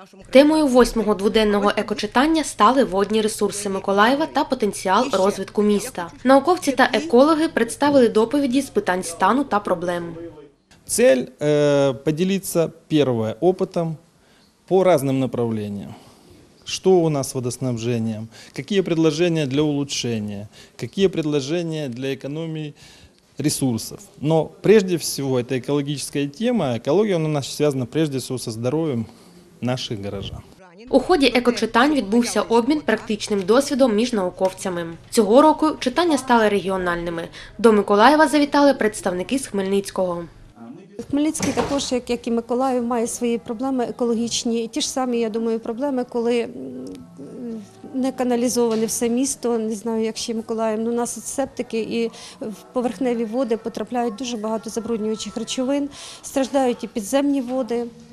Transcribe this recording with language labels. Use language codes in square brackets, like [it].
[uk] Темою восьмого дводенного екочитання стали водні ресурси Миколаєва та потенціал розвитку міста. Науковці та екологи представили доповіді з питань стану та проблем. Ціль – поділитися першим досвідом по різним напрямкам. [ru] Что у нас с водоснабжением, какие предложения для улучшения, какие предложения для экономии ресурсов. Но прежде всего это экологическая тема, экология у нас связана прежде всего со здоровьем наших горожан. [uk] У ході екочитань відбувся обмін практичним досвідом між науковцями. Цього року читання стали регіональними. До Миколаєва завітали представники з Хмельницького. Хмельницький також, як і Миколаїв, має свої проблеми екологічні. І ті ж самі, я думаю, проблеми, коли не каналізоване все місто, не знаю, як ще Миколаїв, у нас септики і в поверхневі води потрапляють дуже багато забруднюючих речовин, страждають і підземні води.